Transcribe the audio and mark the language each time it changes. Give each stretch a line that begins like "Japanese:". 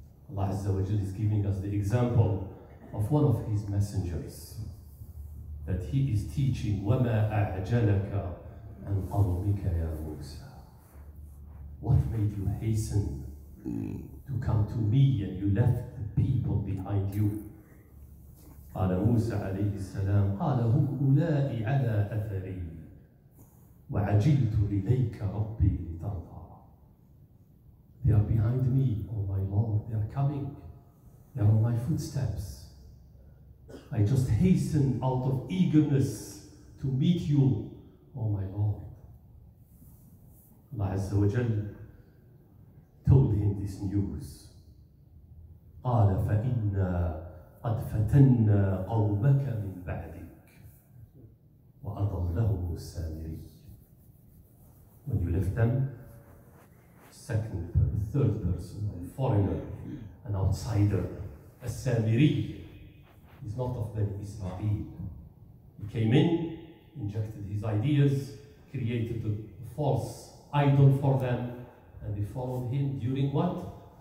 English: Allah Azza wa Jal is giving us the example of one of his messengers, that he is teaching,
Arabic: وَمَا أَعْجَلَكَ عَنْ قَوْمِكَ يَا مُوسَى.
English: What made you hasten to come to me, and you left the people behind you?
Arabic: قال موسى عليه السلام قال هم أولئي على أثري وعجلت إليك ربي لترضى.
English: They are behind me, oh my Lord, they are coming. They are on my footsteps. I just hasten out of eagerness to meet you, oh my Lord. Allah Azza wa Jal told him this news.
Arabic: قال فإنا قد فتنا قومك من بعدك وأضلهم السامري.
English: When you left them, second, third person, a foreigner, an outsider, a Samiri, he's not of Ben Israel. He came in, injected his ideas, created a false idol for them, and they followed him during what?